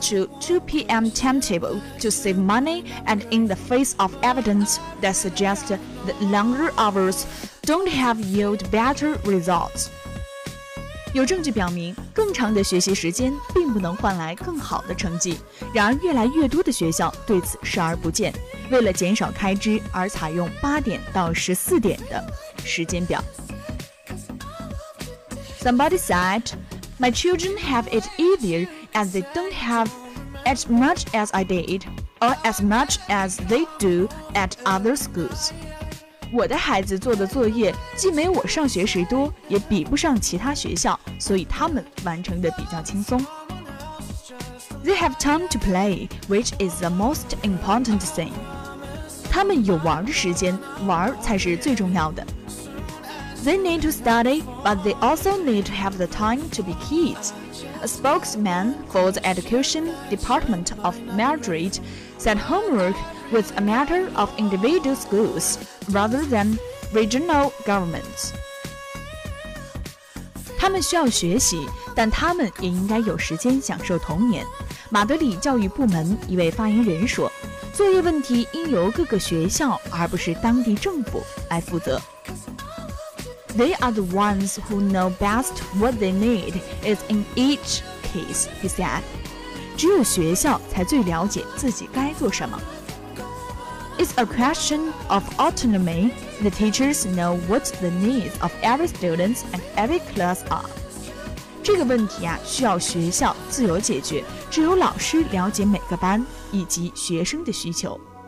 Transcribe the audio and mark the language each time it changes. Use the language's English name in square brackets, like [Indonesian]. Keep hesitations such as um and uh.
[English] to 2 p.m. timetable to save money, and in the face of evidence that suggests the longer hours don't have yield better results， [Chinese] 有证据表明，更长的学习时间并不能换来更好的成绩。然而，越来越多的学校对此视而不见，为了减少开支而采用八点到十四点的时间表。 [English] Somebody said, My children have it easier and they don't have as much as I did, or as much as they do at other schools. They have time to play, which is the most important thing. [Chinese] 他们有玩的时间，玩才是最重要的。 [English] They need to study, but they also need to have the time to be kids. A spokesman for the Education Department of Madrid said homework was a matter of individual schools rather than regional governments. [Chinese] 他们需要学习，但他们也应该有时间享受童年。马德里教育部门一位发言人说，作业问题应由各个学校而不是当地政府来负责。 [English] They are the ones who know best what they need is in each case," he said. [Chinese] 只有学校才最了解自己该做什么。 [English] It's a question of autonomy. The teachers know what the needs of every students and every class are. [Chinese] 这个问题啊，需要学校自由解决。只有老师了解每个班以及学生的需求。